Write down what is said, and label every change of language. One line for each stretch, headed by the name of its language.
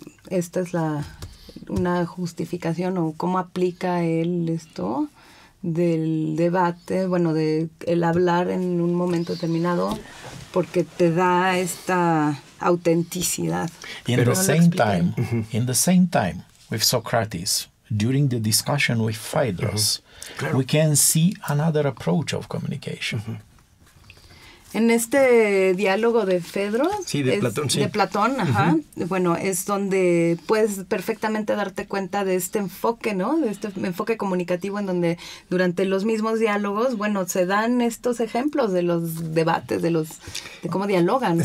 Spanish: Esta es una justificación o cómo aplica él esto del debate, bueno, de el hablar en un momento determinado, porque te da esta autenticidad.
English: In the same time, with Socrates, during the discussion with Phaedrus, claro, we can see another approach of communication.
Spanish: En este diálogo de Fedro, sí, de Platón, sí. De Platón, ajá, bueno, es donde puedes perfectamente darte cuenta de este enfoque, ¿no? De este enfoque comunicativo, en donde durante los mismos diálogos, bueno, se dan estos ejemplos de los debates, de cómo dialogan.